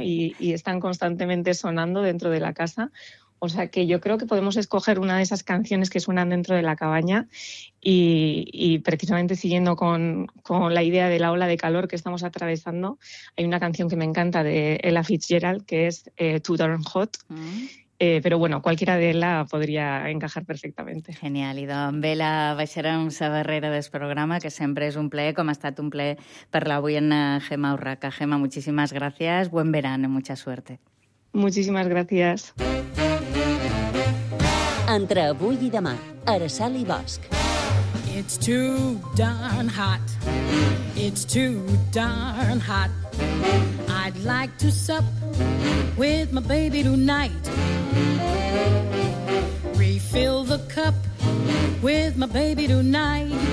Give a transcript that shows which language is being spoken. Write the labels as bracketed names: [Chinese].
[Spanish] Y están constantemente sonando dentro de la casa. O sea que yo creo que podemos escoger una de esas canciones que suenan dentro de la cabaña, y precisamente siguiendo con la idea de la ola de calor que estamos atravesando, hay una canción que me encanta de Ella Fitzgerald, que es Too Darn Hot. [Catalan] Però bueno, qualsevol d'ella podria encaixar perfectament. Genial, i doncs bé, la baixarem la barrera del programa, que sempre és un plaer, com ha estat un plaer per l'avui en Gemma Urraca. [Spanish] Gemma, [Catalan] moltíssimes gràcies, [Spanish] buen verano, mucha suerte. [Catalan] Moltíssimes gràcies. Entre avui i demà, Araceli Bosch. [English] It's too darn hot. It's too darn hot. I'd like to sup with my baby tonight. Refill the cup with my baby tonight.